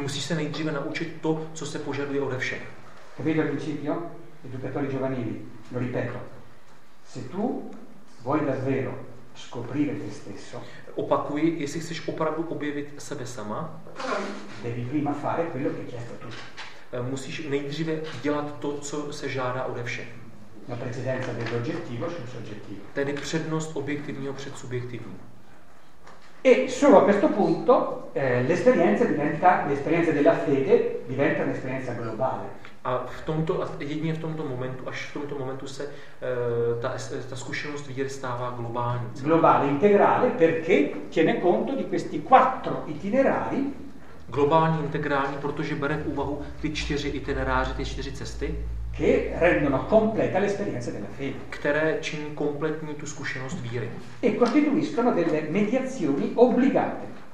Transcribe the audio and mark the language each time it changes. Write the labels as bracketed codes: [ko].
[cs] Musíš se nejdříve naučit to, co se požaduje ode všech. [it] Capito il principio? Educatori giovanili, lo ripeto. Se tu vuoi davvero scoprire te stesso. [cs] Opakuji, jestli chceš opravdu objevit sebe sama. [it] Devi prima fare quello che è chiesto a tutti. [cs] Musíš nejdříve dělat to, co se žádá ode všech. [it] La precedenza dell'oggettivo sul soggettivo. [cs] Tedy přednost objektivního před subjektivním. [it] E solo a questo punto l'esperienza della fede diventa un'esperienza globale. [cs] A v tomto, jedině v tomto momentu, až v tomto momentu se ta zkušenost víry stává globální. [it] Globale, integrale, perché tiene conto di questi quattro itinerari. [cs] Globální, integrální, protože bere v úvahu ty čtyři itineráře, ty čtyři cesty, [it] che rendono completa l'esperienza della fede. [cs] Které činí kompletní tu zkušenost víry. [it] E costituiscono delle mediazioni obbligate.